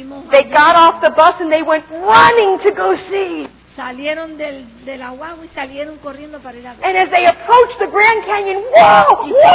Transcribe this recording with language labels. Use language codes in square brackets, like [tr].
[en] They got off the bus and they went running to go see. [es] Salieron de la guagua y salieron corriendo para ir a ver. [en] And as they approached the Grand Canyon, whoa!